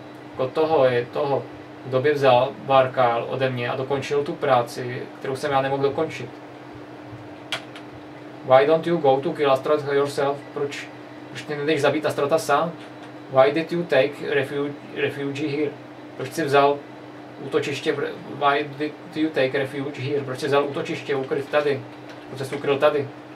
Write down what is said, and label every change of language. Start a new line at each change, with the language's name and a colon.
Czech: Jako toho je toho, kdo by vzal Barkyle ode mě a dokončil tu práci, kterou jsem já nemohl dokončit.
English: Why don't you go to kill Astaroth yourself?
Czech: Proč ty nejdeš zabít Astaroth sám?
English: Why did you take refuge here?
Czech: Proč jsi vzal útočiště,
English: why did you take refuge here?
Czech: Proč jsi vzal útočiště ukryt tady? Proč jsi ukryl tady?